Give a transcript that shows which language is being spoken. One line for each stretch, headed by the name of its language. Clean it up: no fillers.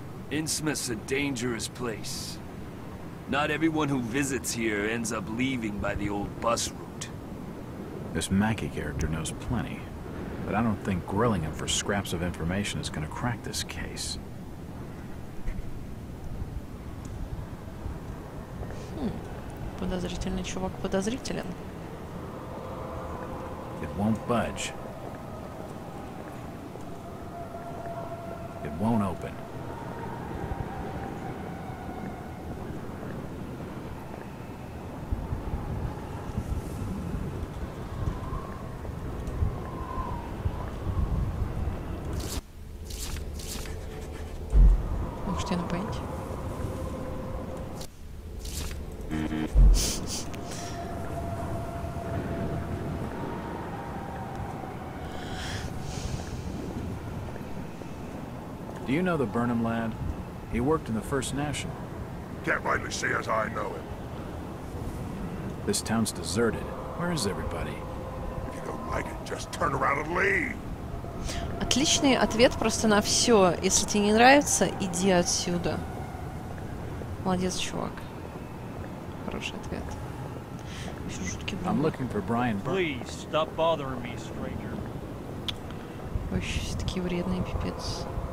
English: Innsmouth's a dangerous place. Not everyone who visits here ends up leaving by the old bus route. This Mackie character knows plenty. But I don't think grilling him for scraps of information is gonna crack this case.
Russian: Подозрительный чувак, подозрителен.
English: It won't budge. It won't open. You know the Burnham lad? He worked in the First National. Can't rightly say as I know him. This town's deserted. Where is everybody? If you don't like it, just turn around and leave.
Russian: Отличный ответ просто на все. Если тебе не нравится, иди отсюда. Молодец, чувак. хороший ответ.
English: I'm looking for Brian. Please stop bothering me, stranger.
Russian: Вообще все такие вредные, пипец.